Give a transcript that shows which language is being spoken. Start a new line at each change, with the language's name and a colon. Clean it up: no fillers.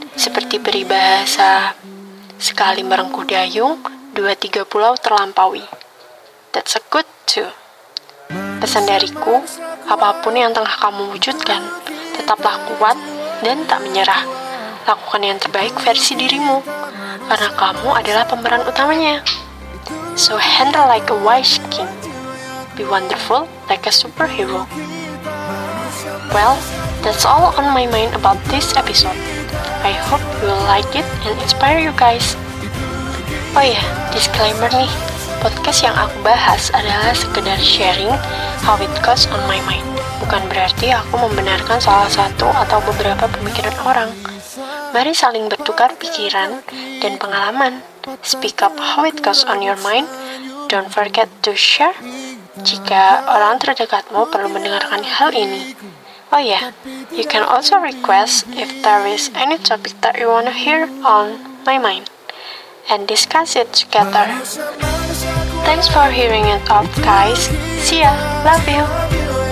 Indonesian: Seperti peribahasa, sekali merengku dayung, 2-3 pulau terlampaui.
English: That's a good too.
Indonesian: Pesan dariku, apapun yang tengah kamu wujudkan, tetaplah kuat dan tak menyerah. Lakukan yang terbaik versi dirimu, karena kamu adalah pemeran utamanya.
English: So handle like a wise king. Be wonderful like a superhero. Well, that's all on my mind about this episode. I hope you will like it and inspire you guys.
Indonesian: Oh yeah, disclaimer nih. Podcast yang aku bahas adalah sekedar sharing
English: how it goes on my mind.
Indonesian: Bukan berarti aku membenarkan salah satu atau beberapa pemikiran orang. Mari saling bertukar pikiran dan pengalaman.
English: Speak up how it goes on your mind. Don't forget to share
Indonesian: jika orang terdekatmu perlu mendengarkan hal ini.
English: Oh yeah, you can also request if there is any topic that you want to hear on my mind and discuss it together. Thanks for hearing it out, guys. See ya. Love you.